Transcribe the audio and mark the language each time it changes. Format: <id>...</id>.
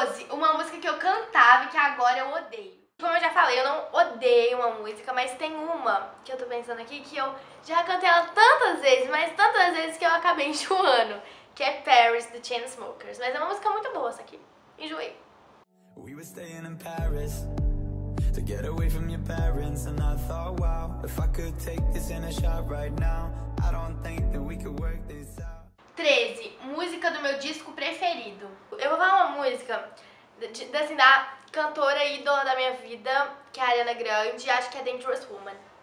<pt>Uma música que eu cantava e que agora eu odeio. Como eu já falei, eu não odeio uma música, mas tem uma que eu tô pensando aqui que eu já cantei ela tantas vezes, mas tantas vezes que eu acabei enjoando, que é Paris, do Chainsmokers. Mas é uma música muito boa essa aqui. Enjoei.</pt> <en>We were staying in Paris to get away from your parents and I thought, wow, if I could take this in a shot right now, I don't think that we could work this out.</en> <pt>13. Música do meu disco preferido. Eu vou falar uma música assim, da cantora ídola da minha vida, que é a Ariana Grande, acho que é Dangerous Woman.</pt>